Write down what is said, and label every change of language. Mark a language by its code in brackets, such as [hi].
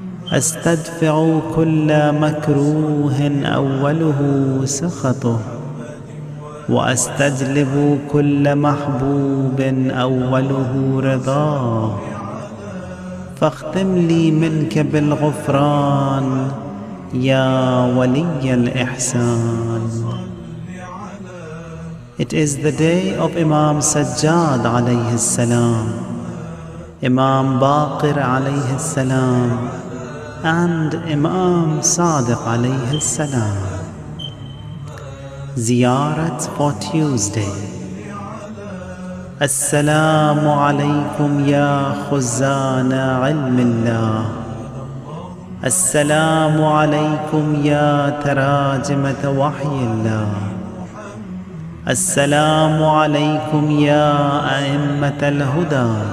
[ar] أستدفع كل مكروه أوله سخطه، وأستجلب كل محبوب أوله رضاه. فاختم لي منك بالغفران يا ولي الإحسان. [en] It is the day of Imam Sajjad عليه السلام, Imam Baqir عليه السلام, and Imam Sadiq عليه السلام. زيارت for Tuesday. [ar] السلام عليكم يا خزان علم الله. السلام عليكم يا تراجمة وحي الله. السلام عليكم يا أئمة الهدى.